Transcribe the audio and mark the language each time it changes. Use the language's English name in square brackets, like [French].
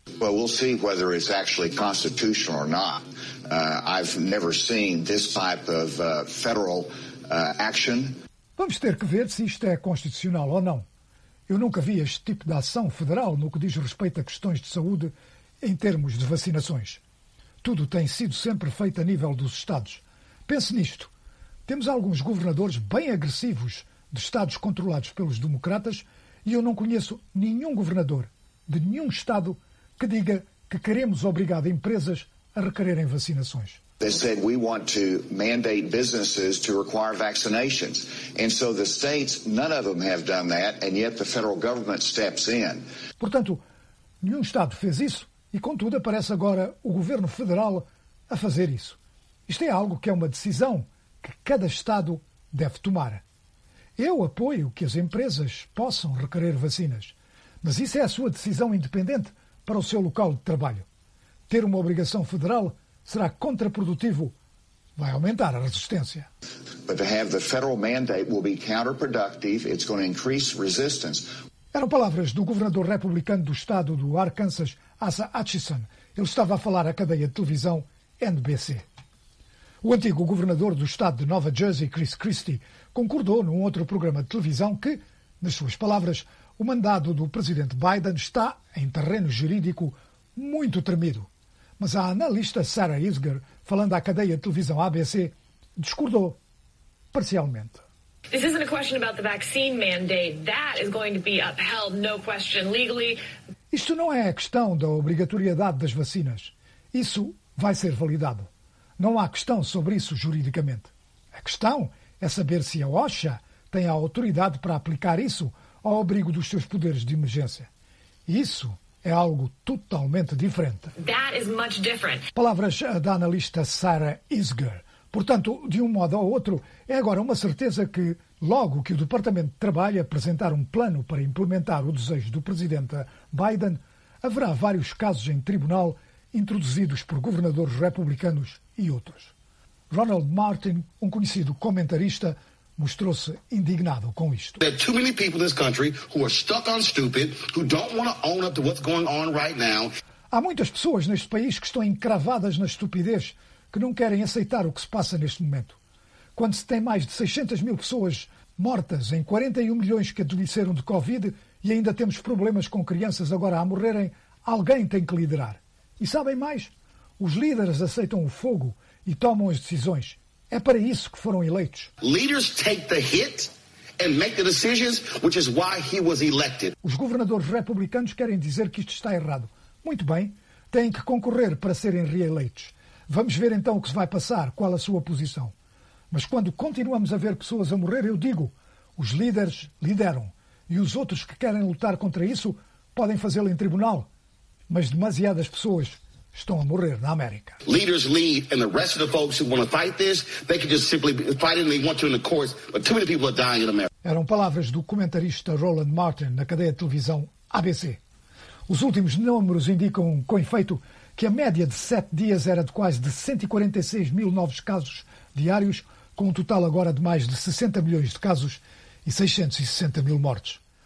[English] Well, we'll see whether it's actually constitutional or not. I've never seen this type of federal action. [Portuguese] Vamos ter que ver se isto é constitucional ou não. Eu nunca vi este tipo de ação federal no que diz respeito a questões de saúde em termos de vacinações. Tudo tem sido sempre feito a nível dos Estados. Pense nisto. Temos alguns governadores bem agressivos de Estados controlados pelos democratas e eu não conheço nenhum governador de nenhum Estado que diga que queremos obrigar empresas a requererem vacinações. [English] They said we want to mandate businesses to require vaccinations. And so the states, none of them have done that, and yet the federal government steps in. [Portuguese] Portanto, nenhum Estado fez isso, e contudo aparece agora o governo federal a fazer isso. Isto é algo que é uma decisão que cada Estado deve tomar. Eu apoio que as empresas possam requerer vacinas, mas isso é a sua decisão independente para o seu local de trabalho. Ter uma obrigação federal será contraprodutivo, vai aumentar a resistência. [English] But to have the federal mandate will be counterproductive. It's going to increase resistance. [Portuguese] Eram palavras do governador republicano do estado do Arkansas, Asa Hutchinson. Ele estava a falar à cadeia de televisão NBC. O antigo governador do estado de Nova Jersey, Chris Christie, concordou num outro programa de televisão que, nas suas palavras, o mandado do presidente Biden está, em terreno jurídico, muito tremido. Mas a analista Sarah Isger, falando à cadeia de televisão ABC, discordou. parcialmente. [English] This isn't a question about the vaccine mandate. That is going to be upheld, no question, legally. [Portuguese] Isto não é a questão da obrigatoriedade das vacinas. Isso vai ser validado. Não há questão sobre isso juridicamente. A questão é saber se a OSHA tem a autoridade para aplicar isso ao abrigo dos seus poderes de emergência. Isso é algo totalmente diferente. [English] That is much different. [Portuguese] Palavras da analista Sarah Isger. Portanto, de um modo ou outro, é agora uma certeza que, logo que o Departamento de Trabalho apresentar um plano para implementar o desejo do presidente Biden, haverá vários casos em tribunal introduzidos por governadores republicanos e outros. Ronald Martin, um conhecido comentarista, mostrou-se indignado com isto. [English] There are too many people in this country who are stuck on stupid, who don't want to own up to what's going on right now. [Portuguese] Há muitas pessoas neste país que estão encravadas na estupidez, que não querem aceitar o que se passa neste momento. Quando se tem mais de 600 mil pessoas mortas em 41 milhões que adoeceram de Covid e ainda temos problemas com crianças agora a morrerem, alguém tem que liderar. E sabem mais? Os líderes aceitam o fogo e tomam as decisões. É para isso que foram eleitos. [English] Leaders take the hit and make the decisions, which is why he was elected. [Portuguese] Os governadores republicanos querem dizer que isto está errado. Muito bem, têm que concorrer para serem reeleitos. Vamos ver então o que se vai passar, qual a sua posição. Mas quando continuamos a ver pessoas a morrer, eu digo, os líderes lideram. E os outros que querem lutar contra isso podem fazê-lo em tribunal. Mas demasiadas pessoas estão a morrer na América. [English] Leaders lead, and the rest of the folks who want to fight this, they can just simply fight it and they want to in the courts, but too many people are dying in America. [Portuguese] Eram palavras do comentarista Roland Martin na cadeia de televisão ABC. Os últimos números indicam, com efeito, que a média de 7 dias era de quase de 146 mil novos casos diários, com um total agora de mais de 60 milhões de casos e 660 mil mortes.